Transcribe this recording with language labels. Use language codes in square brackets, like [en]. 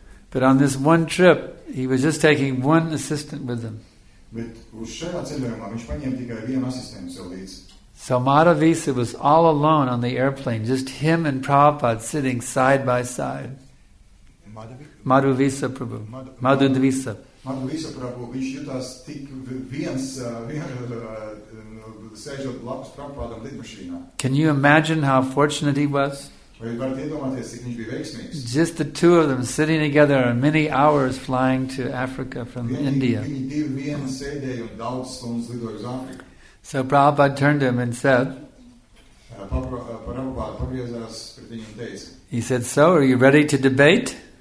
[en] But on this one trip, he was just taking one assistant with him. So Madhavisa was all alone on the airplane, just him and Prabhupada sitting side by side. Madhuvisa Prabhu. Madhuvisa. [lv] Madhuvisa Prabhu, viņš jutās tik viens sēžot labs Prabhupādam lidmašīnā. [en] Can you imagine how fortunate he was? [lv] Vai jūs varat iedomāties, cik viņš bija veiksmīgs? [en] Just the two of them sitting together many hours flying to Africa from India. [lv] Viņi divi vienā sēdēja un daudz stundas lidoja uz Āfriku. [en] So Prabhupāda turned to him and said, [lv] Prabhupāda pagriezās pret viņu un teica, [en] he said, so, are you ready to debate?